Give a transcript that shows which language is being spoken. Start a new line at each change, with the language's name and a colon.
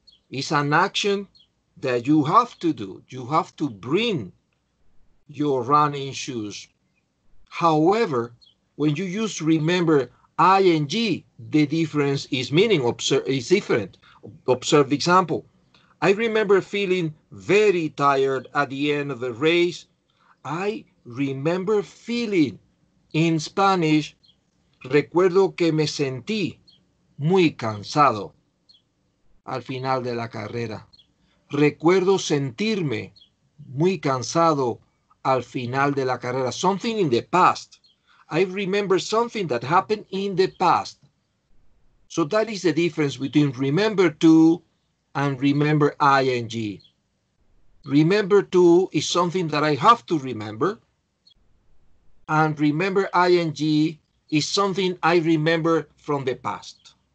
English: It's an action that you have to do. You have to bring your running shoes. However, when you use remember ing, the difference is meaning. Is different. Observe the example. I remember feeling very tired at the end of the race. I remember feeling, in Spanish,
Spanish: recuerdo que me sentí muy cansado al final de la carrera. Recuerdo sentirme muy cansado al final de la carrera.
English: Something in the past. I remember something that happened in the past. So that is the difference between remember to and remember ing. Remember to is something that I have to remember. And remember ing is something I remember from the past.